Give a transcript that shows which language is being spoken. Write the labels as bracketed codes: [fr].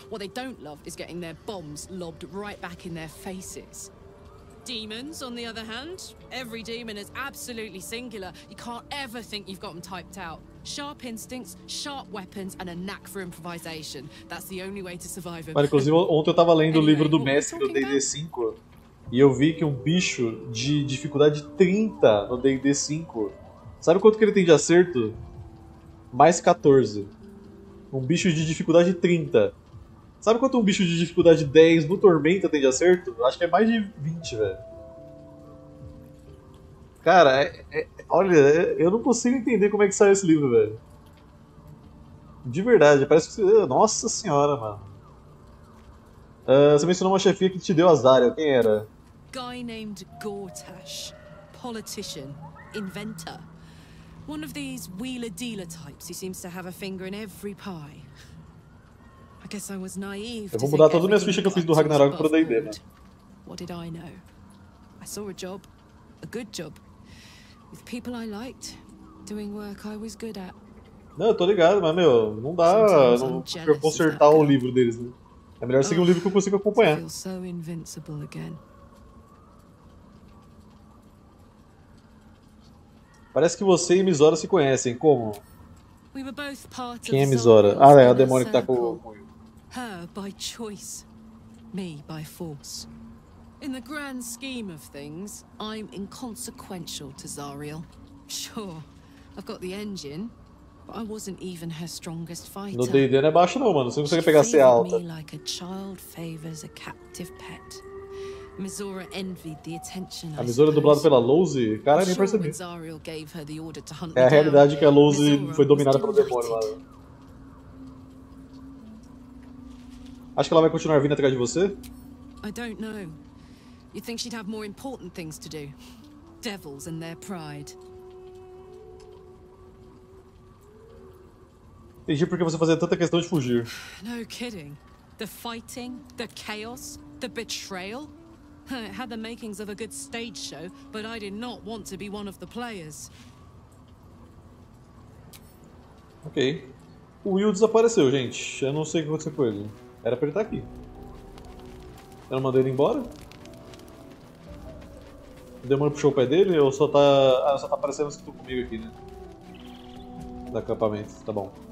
[en] What they don't love is getting their bombs lobbed right back in their faces. Demons, on the other hand, every demon is absolutely singular. You can't ever think you've got them typed out. Sharp instincts, sharp weapons and a knack for improvisation. That's the only way to survive them. [pt] Inclusive, ontem eu tava lendo o livro do mestre do D&D 5. E eu vi que um bicho de dificuldade 30 no D&D 5, sabe quanto que ele tem de acerto? Mais 14. Um bicho de dificuldade 30. Sabe quanto um bicho de dificuldade 10 no Tormenta tem de acerto? Acho que é mais de 20, velho. Cara, olha, eu não consigo entender como é que saiu esse livro, velho. De verdade, parece que... Nossa senhora, mano. Você mencionou uma chefia que te deu azar, quem era? [en] Guy named Gortash, politician, inventor, one of these wheeler dealer types who seems to have a finger in every pie. I guess I was naive. [pt] Eu vou mudar todas as minhas fichas que eu fiz do Ragnarok para D&D, né? [en] What did I know? I saw a job, a good job, with people I liked, doing work I was good at. [pt] Não, eu tô ligado, mas meu, não dá, não consertar o livro deles, né? É melhor seguir um livro que eu consigo acompanhar. [en] Feel so invincible again. [pt] Parece que você e Mizora se conhecem. Como? [en] We were both part [pt] Quem é Mizora? Ah, é a demônio que tá com o... [en] Her by choice, me by force. In the grand scheme of things, I'm inconsequential to Zariel. Sure, I've got the engine, but I wasn't even her strongest fighter. [pt] No D&D não é baixo não, mano. Você consegue pegar [en] She [pt] C alta. [en] Me like a child favors a captive pet. Mizora envied the attention. [pt] A Mizora é dublada pela Lose? Cara, nem percebi. [en] Gave her the order to hunt [pt] é a realidade que a Lose foi dominada pelo demônio lá. Acho que ela vai continuar vindo atrás de você? [en] I don't know. You think she'd have more important things to do. Devils and their pride. [pt] Entendi por que você fazia tanta questão de fugir. [en] No kidding. The fighting, the chaos, the betrayal. It had the makings of a good stage show, but I did not want to be one of the players. Ok. [pt] O Will desapareceu, gente. Eu não sei o que aconteceu com ele. Era pra ele estar aqui. Eu não mandei ele embora? O demônio puxou o pé dele ou só tá... Ah, só tá aparecendo escrito comigo aqui, né? Do acampamento. Tá bom.